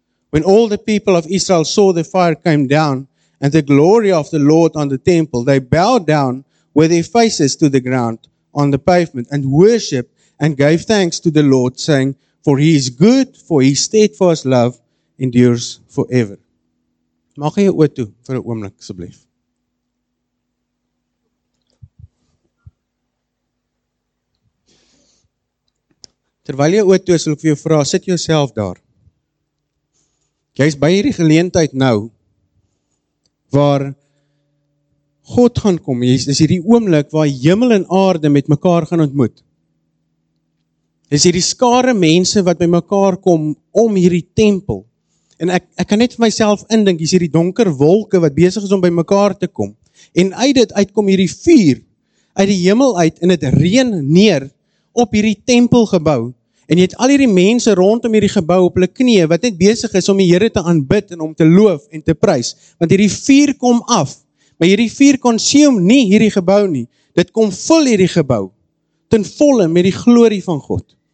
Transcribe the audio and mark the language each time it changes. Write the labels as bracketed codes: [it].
[en] When all the people of Israel saw the fire came down and the glory of the Lord on the temple, they bowed down with their faces to the ground on the pavement and worshipped and gave thanks to the Lord, saying, "For He is good, for His steadfast love endures forever." [af] Maak jy oë toe vir 'n oomblik asseblief. Terwyl jy oë toe is, wil ek vir jou vra, sit jouself daar. Jy is by hierdie geleentheid nou, waar God gaan kom, jy is hierdie oomblik waar hemel en aarde met mekaar gaan ontmoet. Dis hierdie skare mense wat by mekaar kom om hierdie tempel. En ek kan net vir myself indink, is hierdie donker wolke wat besig is om by mekaar te kom. En uit dit uitkom hierdie vuur uit die hemel uit en dit reën neer op hierdie tempelgebou. En jy het al hierdie mense rondom hierdie gebou op hulle knieë wat net besig is om die Here te aanbid en om te loof en te prys. Want hierdie vuur kom af. Maar hierdie vuur konsum nie hierdie gebou nie. Dit kom vul hierdie gebou ten volle met die glorie van God.